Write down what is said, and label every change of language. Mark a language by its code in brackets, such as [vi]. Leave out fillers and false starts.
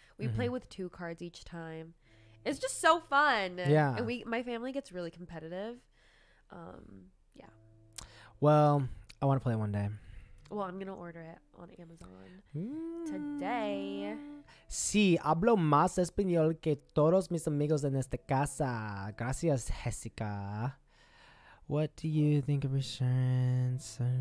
[en] We play with two cards each time. It's just so fun. Yeah. And my family gets really competitive. Well, I want to play one day. Well, I'm going to order it on Amazon today. [es] Sí, hablo más español que todos mis amigos en esta casa. Gracias, Jessica. [en] What do you think of insurance?